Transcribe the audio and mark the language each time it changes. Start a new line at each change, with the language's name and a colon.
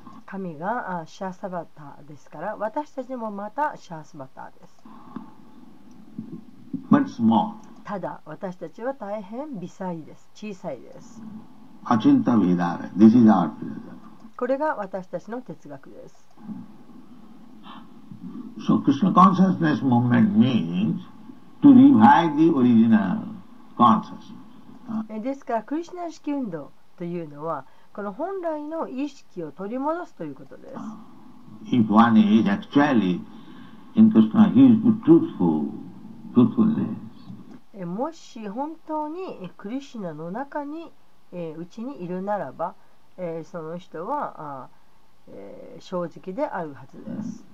Japanese: 神がシャスバタですから私たちもまたシャスバタです。
English: But small.
Japanese: ただ私たちは大変微細です。小さいです。
English: Achinta vidara. This is our philosophy.
Japanese: これが私たちの哲学です。
English: So Krishna consciousness movement means to revive the original consciousness.
Japanese: ですから、クリシュナ意識運動というのは、この本来の意識を取り戻すということです。
English: If one is actually in Krishna, he is truthfulness.
Japanese: もし本当にクリシュナの中に、うちにいるならば、その人は、正直であるはずです。